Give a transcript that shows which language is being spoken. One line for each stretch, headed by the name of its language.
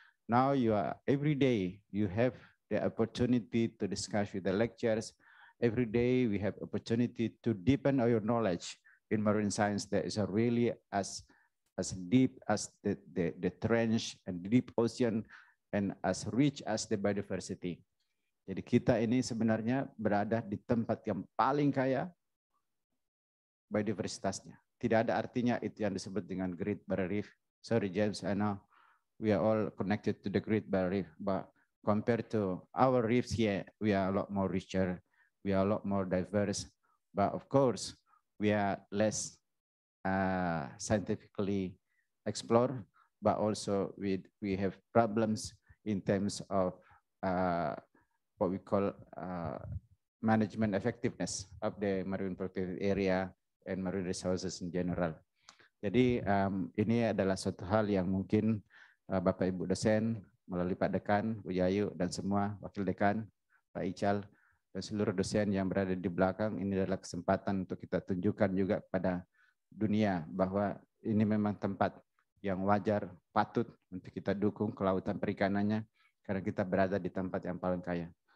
English: Now you are every day, you have the opportunity to discuss with the lecturers. Every day we have opportunity to deepen your knowledge in marine science that is really as deep as the trench and deep ocean and as rich as the biodiversity.
Indonesian: Jadi kita ini sebenarnya berada di tempat yang paling kaya biodiversitasnya. Tidak ada artinya itu yang disebut dengan Great Barrier Reef.
English: Sorry James, I know we are all connected to the Great Barrier Reef, but compared to our reefs here, we are a lot more richer, we are a lot more diverse, But of course, we are less scientifically explored, but also we have problems in terms of what we call management effectiveness of the marine protected area and marine resources in general.
Indonesian: Jadi ini adalah suatu hal yang mungkin Bapak Ibu dosen melalui Pak Dekan, Bu Yayu, dan semua Wakil Dekan, Pak Ical, dan seluruh dosen yang berada di belakang, ini adalah kesempatan untuk kita tunjukkan juga kepada dunia bahwa ini memang tempat yang wajar, patut untuk kita dukung kelautan perikanannya karena kita berada di tempat yang paling kaya.